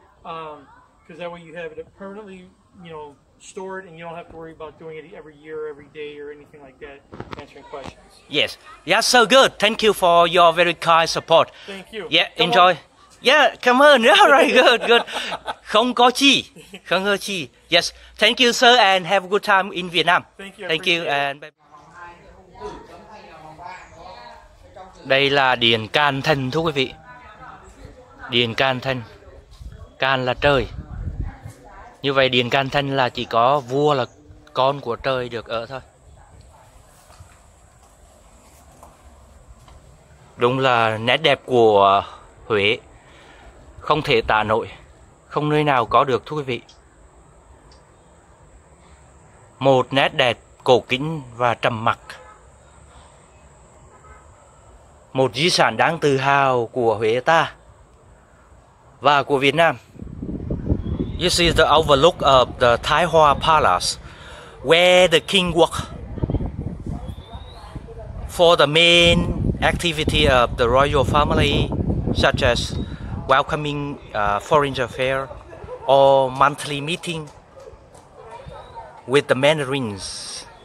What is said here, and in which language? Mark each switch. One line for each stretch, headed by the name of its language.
English: Because that way you have it permanently, you know, stored, and you don't have to worry about doing it every year, every day, or anything like that, answering questions. Yes. Yeah, so good. Thank you for your very kind support. Thank you. Yeah, come enjoy. On. Yeah, come on. All right, good, good.
Vietnamese: Không có chi. Không có chi.
English: Yes. Thank you, sir, and have a good time in Vietnam. Thank you. Thank you, it. And bye.
Vietnamese: Đây là điện Can Thần thưa quý vị. Điện Can Thần. Can là trời. Như vậy điện Can Thần là chỉ có vua là con của trời được ở thôi. Đúng là nét đẹp của Huế không thể tả nổi, không nơi nào có được thưa quý vị. Một nét đẹp cổ kính và trầm mặc. Một di sản đáng tự hào của Huế ta và của Việt Nam.
English: This is the overlook of the Thái Hòa Palace, where the king worked for the main activity of the royal family, such as welcoming foreign affairs or monthly meeting with the mandarins.